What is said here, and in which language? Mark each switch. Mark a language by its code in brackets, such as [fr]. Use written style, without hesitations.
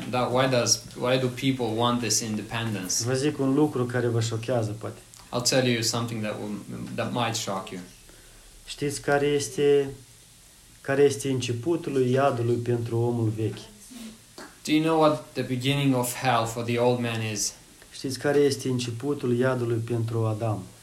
[en] Why does why do people want this independence? [ro] Vă zic un lucru care vă șochează, poate. [en] I'll tell you something that might shock you. [ro] Știți care este începutul iadului pentru omul vechi? [en] Do you know what the beginning of hell for the old man is? [ro] Știți care este începutul iadului pentru Adam?